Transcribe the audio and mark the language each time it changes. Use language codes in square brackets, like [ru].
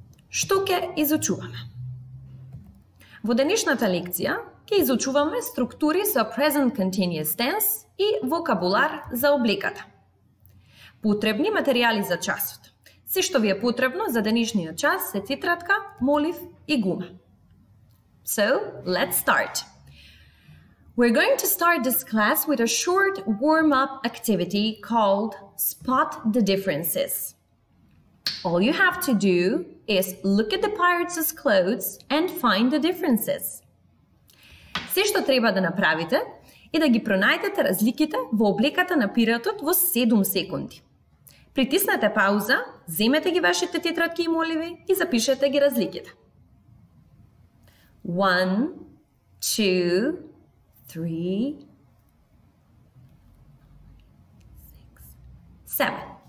[mk] Што ќе изучуваме? Во денешната лекција ќе изучуваме структури со present continuous tense и вокабулар за облеката. Потребни материјали за часот. Се што ви е потребно за денешниот час се тетрадка, молив и гума. [en] So, let's start! We're going to start this class with a short warm-up activity called Spot the Differences. All you have to do is look at the pirates' clothes and find the differences. [mk] Се што треба да направите е да ги пронајдете разликите во облеката на пиратот во 7 секунди. Притиснете пауза, земете ги вашите тетрадки и моливи и запишете ги разликите. 1, 2, 3, 6, 7.